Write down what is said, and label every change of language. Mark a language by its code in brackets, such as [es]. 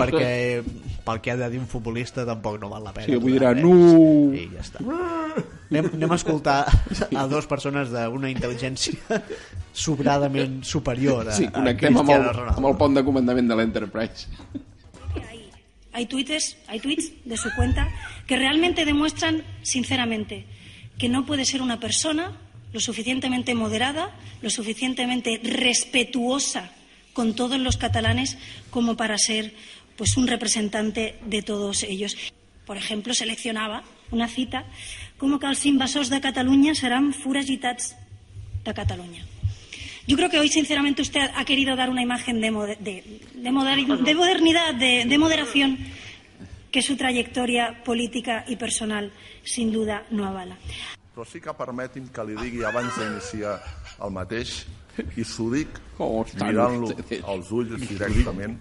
[ca] No, perquè pel que ha de dir un futbolista tampoc no val la pena. Sí, avui dirà, no! I ja està. Anem a escoltar a dues persones d'una intel·ligència sobradament superior sí, connectem amb el pont de comandament de l'Enterprise. [es] Hay tweets de su cuenta que realmente demuestran sinceramente que no puede ser una persona lo suficientemente moderada, lo suficientemente respetuosa con todos los catalanes como para ser pues un representante de todos ellos. Por ejemplo, seleccionaba una cita como que [ca] els invasors de Catalunya [es] seran foragitats de Catalunya. Yo creo que hoy, sinceramente, usted ha querido dar una imagen de modernidad, de moderación, que su trayectoria política y personal, sin duda, no avala. [ca] Però sí que permeti'm que li digui abans d'iniciar el mateix, i s'ho dic mirant-lo als ulls directament,